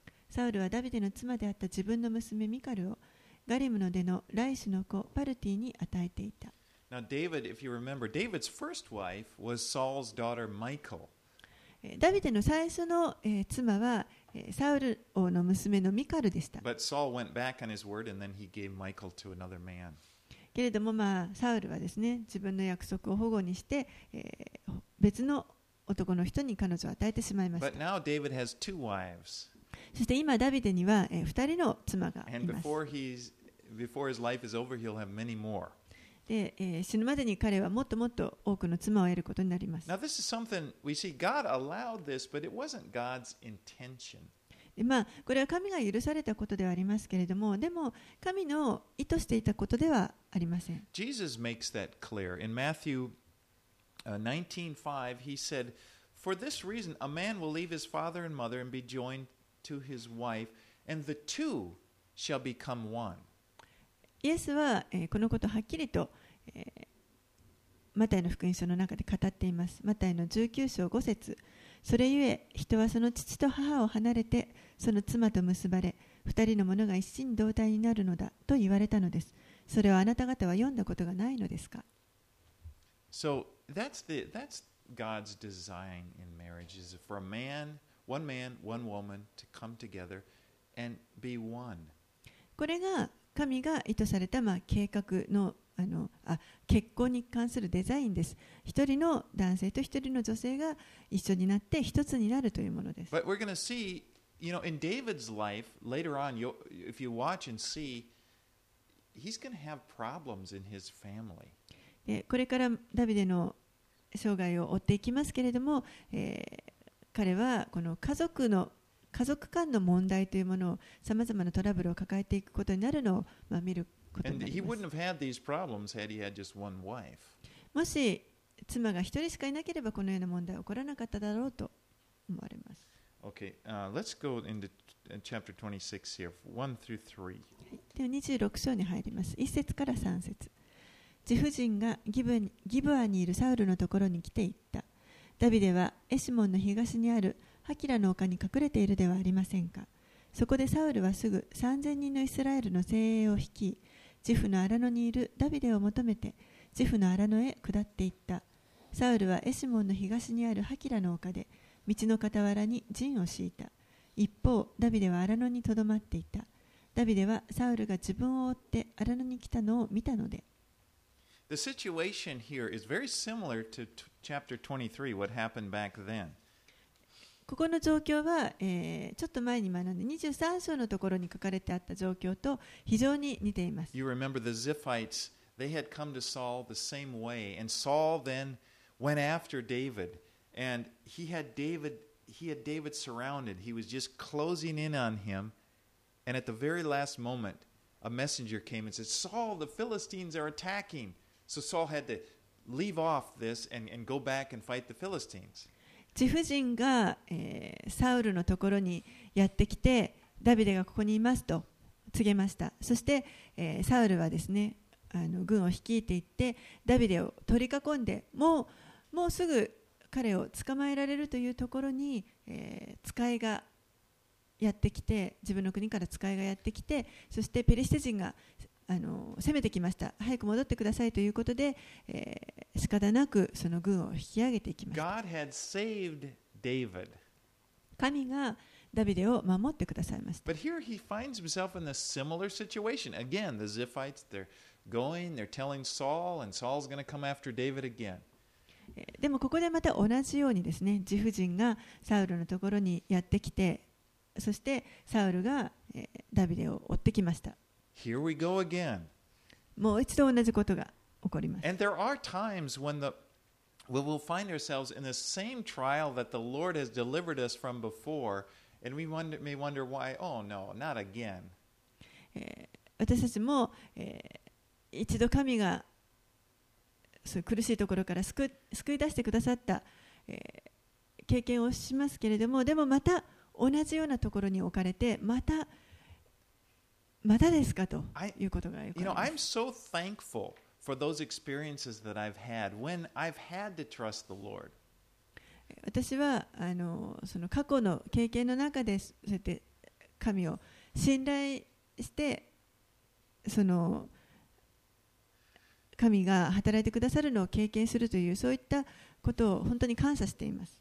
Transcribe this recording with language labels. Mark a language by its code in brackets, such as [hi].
[ja] サウルはダビデの妻であった自分の娘ミカルをガリムの出のライシの子パルティに与えていた。 [en] Now, David, if you remember, David's first wife was Saul's daughter, Michal. [ja] ダビデの最初の妻はサウル王の娘のミカルでした。 [en] But Saul went back on his word and then he gave Michal to another man. [ja] けれども、まあ、サウルはですね、自分の約束を反故にして、別の男の人に彼女を与えてしまいました。 [en] But now David has two wives. [ja] そして今ダビデには2人の妻がいます。で、死ぬまでに彼はもっともっと多くの妻を得ることになります。で、まあ、これは神が許されたことではありますけれども、でも神の意図していたことではありません。 [en] イエス makes that clear in Matthew 19:5. He said, "For this reason, a man will leave his father and mother and be joined to his wife, and the two shall become one." [ja] イエスは、このことをはっきりと、マタイの福音書の中で語っています。マタイの19章5節。それゆえ、人はその父と母を離れて、その妻と結ばれ、二人のものが一心同体になるのだと言われたのです。それはあなた方は読んだことがないのですか？ [en] So that's God's design in marriage is for a man. One man, one woman to come together and be one. [ja] これが神が意図された、まあ、計画 の、 結婚に関するデザインです。一人の男性と一人の女性が一緒になって一つになるというものです。 [en] But we're going to see, you know, in David's life, later on, if you watch and see, he's going to have problems in his family. [ja] これからダビデの生涯を追っていきますけれども、彼はこの家族間の問題というものをさまざまなトラブルを抱えていくことになるのを、まあ、見ることになります。 [en] And he wouldn't have had these problems had he had just one wife. [ja] もし妻が一人しかいなければこのような問題は起こらなかっただろうと思われます。 [en] Okay, let's go into chapter 26 here, 1 through 3. [ja] では26章に入ります。1節から3節。ジフ人がギブアにいるサウルのところに来ていった。ダビデはエシモンの東にあるハキラの丘に隠れているではありませんか。そこでサウルはすぐ3000人のイスラエルの精鋭を率い、ジフの荒野にいるダビデを求めてジフの荒野へ下っていった。サウルはエシモンの東にあるハキラの丘で道の傍らに陣を敷いた。一方ダビデは荒野にとどまっていた。ダビデはサウルが自分を追って荒野に来たのを見たので。 [en] The situation here is very similar to chapter 23, what happened back then. [ja] ここの状況は、ちょっと前に学んで23章のところに書かれてあった状況と非常に似ています。 [en] You remember the Ziphites, they had come to Saul the same way, and Saul then went after David, and he had David surrounded. He was just closing in on him, and at the very last moment, a messenger came and said, Saul, the Philistines are attacking. So Saul had to leave off this and go back and fight the Philistines. [ja] ジフ人が、サウルのところにやってきて、ダビデがここにいますと告げました。そして、サウルはですね、軍を率いていって、ダビデを取り囲んで、もうすぐ彼を捕まえられるというところに、使いがやってきて、自分の国から使いがやってきて、そしてペリシテ人が攻めてきました。早く戻ってくださいということで、仕方なくその軍を引き上げていきました。 [en] God had saved David. [ja] 神がダビデを守ってくださいました。 [en] But here he finds himself in a similar situation. Again, the Ziphites, they're telling Saul, and Saul's going to come after David again. [ja] でもここでまた同じようにですね、ジフ人がサウルのところにやってきて、そしてサウルが、ダビデを追ってきました。 [en] Here we go again. [ja] もう一度同じことが起こります。 [en] And there are times when we will find ourselves in the same trial that the Lord has delivered us from before, and we may wonder why, oh no, not again. [ja] 私たちも、一度神がそういう苦しいところから救い出してくださった、経験をしますけれども、でもまた同じようなところに置かれて、またですかということがよくあります。 [en] I'm so thankful for those experiences that I've had when I've had to trust the Lord. [ja] 私はその過去の経験の中でそうやって神を信頼してその神が働いてくださるのを経験するというそういったことを本当に感謝しています。